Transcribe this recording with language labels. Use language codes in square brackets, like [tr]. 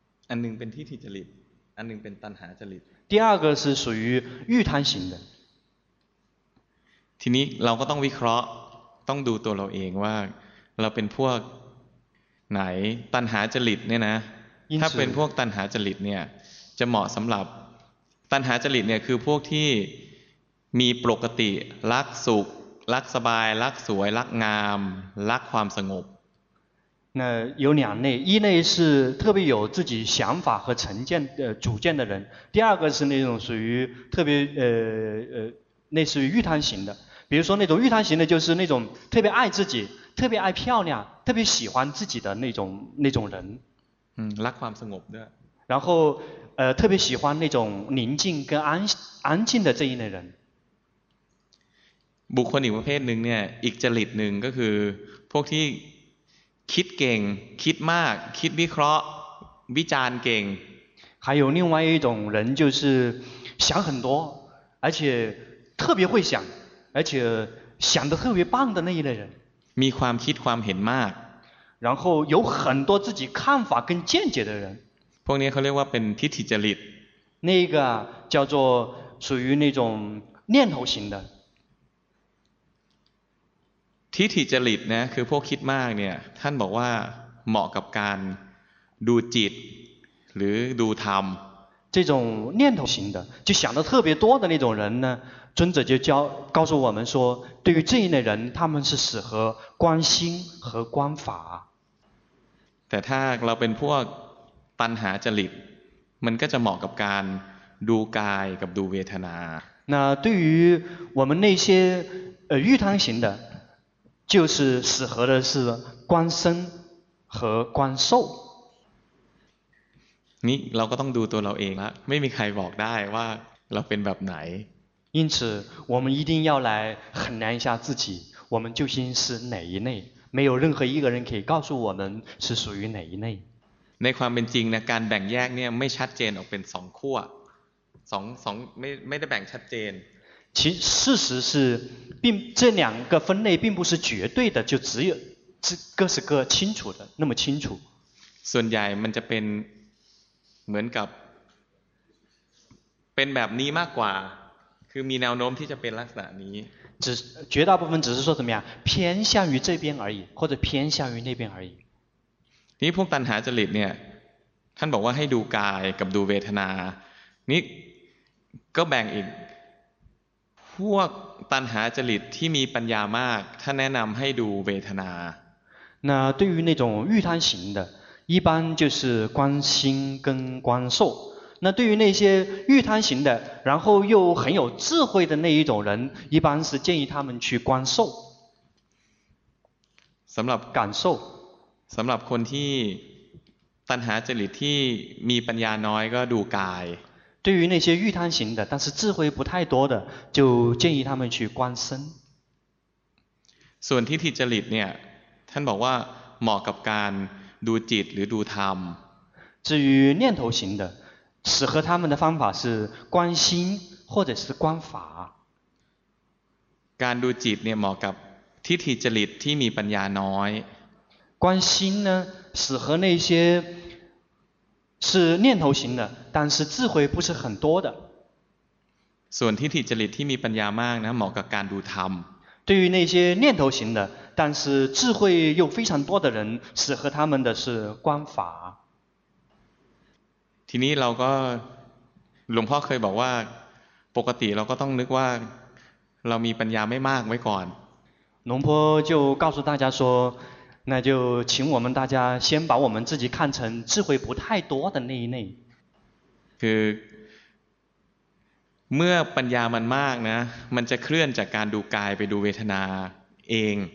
[th] อันหนึ่งเป็นทิฏฐิจริตอันหนึ่งเป็นตัณหาจริต [zh] 第二个是属于欲贪型的 [th] ทีนี้เราก็ต้องวิเคราะห์ต้องดูตัวเราเองว่าเราเป็นพวกไหนตัณหาจริตเนี่ยนะถ้าเป็นพวกตัณหาจริตเนี่ยจะเหมาะสำหรับ ตัณหาจริตเนี่ยคือพวกที่มีปกติรักสุขรักสบายรักสวยรักงามรักความสงบ [zh] 那有两类，一类是特别有自己想法和成见的主见的人，第二个是那种属于特别类似于欲贪型的。比如说那种欲贪型的，就是那种特别爱自己、特别爱漂亮、特别喜欢自己的那种人。嗯，拉ความสงบ的。然后特别喜欢那种宁静跟安静的这一类人。 [th] บุคคลอีกประเภทหนึ่งเนี่ย อีกจริตหนึ่งก็คือพวกที่คิดเก่งคิดมากคิดวิเคราะห์วิจารณ์เก่ง [zh] 还有另外一种人就是想很多而且特别会想而且想得特别棒的那一类人 [th] มีความคิดความเห็นมาก [zh] 然后有很多自己看法跟见解的人 [th] พวกนี้เขาเรียกว่าเป็นทิฏฐิจริต [zh] 那个叫做属于那种念头型的 [th] ทิฏฐิจริตนะคือพวกคิดมากเนี่ยท่านบอกว่าเหมาะกับการดูจิตหรือดูธรรม [zh] 这种念头型的就想的特别多的那种人呢尊者就告诉我们说对于这一类人他们是适合观心和观法 [th] แต่ถ้าเราเป็นพวกตัณหาจริตมันก็จะเหมาะกับการดูกายกับดูเวทนา [zh] 那对于我们那些欲贪型的就是适合的是观身和观受 [th] นี่เราก็ต้องดูตัวเราเองละไม่มีใครบอกได้ว่าเราเป็นแบบไหน [zh] 因此我们一定要来衡量一下自己我们究竟是哪一类没有任何一个人可以告诉我们是属于哪一类 [th] ในความเป็นจริงนะการแบ่งแยกเนี่ยไม่ชัดเจนออกเป็น2ขั้ว2ไม่ได้แบ่งชัดเจน [zh] 其实事实是并这两个分类并不是绝对的就只有各是各清楚的那么清楚 [th] ส่วนใหญ่มันจะเป็นเหมือนกับเป็นแบบนี้มากกว่าคือมีแนวโน้มที่จะเป็นลักษณะนี้ [zh] 只绝大部分只是说怎么样偏向于这边而已或者偏向于那边而已 [th] นี่พวกตัณหาจริตเนี่ยท่านบอกว่าให้ดูกายกับดูเวทนานี่ก็แบ่งอีกพวกตัณหาจริตที่มีปัญญามากท่านแนะนำให้ดูเวทนา [zh] 那对于那种欲贪型的一般就是观心跟观受那对于那些欲贪型的然后又很有智慧的那一种人一般是建议他们去观受 [th] สำหรับ [zh] 感受 [th] สำหรับคนที่ตัณหาจริตที่มีปัญญาน้อยก็ดูกาย [zh] 对于那些欲贪型的但是智慧不太多的就建议他们去观身 [th] ส่วนทิฏฐิจริตเนี่ยท่านบอกว่าเหมาะกับการดูจิตหรือดูธรรม [zh] 至于念头型的适合他们的方法是观心或者是观法 [th] การดูจิตเนี่ยเหมาะกับทิฏฐิจริตที่มีปัญญาน้อย [zh] 观心呢适合那些是念头型的但是智慧不是很多的 [th] ส่วนทิฏฐิจริตที่มีปัญญามากนะเหมาะกับการดูธรรม [zh] 对于那些念头型的但是智慧又非常多的人适合他们的是观法 [th] ทีนี้เราก็หลวงพ่อเคยบอกว่าปกติเราก็ต้องนึกว่าเรามีปัญญาไม่มากไว้ก่อน [zh] 龙坡就告诉大家说那就请我们大家先把我们自己看成智慧不太多的那一类 [th] คือเมื่อปัญญามันมากนะมันจะเคลื่อนจากการดูกายไปดูเวทนาเอง